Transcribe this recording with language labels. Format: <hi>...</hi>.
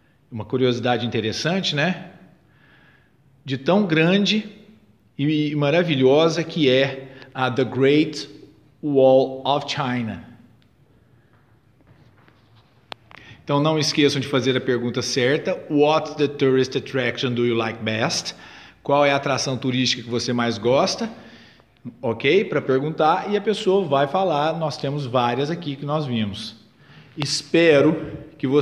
<pt>Uma curiosidade interessante, né? De tão grande e maravilhosa que é a The Great Wall of China. Então não esqueçam de fazer a pergunta certa.</pt> <en>What's the tourist attraction do you like best?</en> <pt>Qual é a atração turística que você mais gosta? Ok? Para perguntar e a pessoa vai falar. Nós temos várias aqui que nós vimos. Espero que vocês tenham gostado da nossa aula.</pt>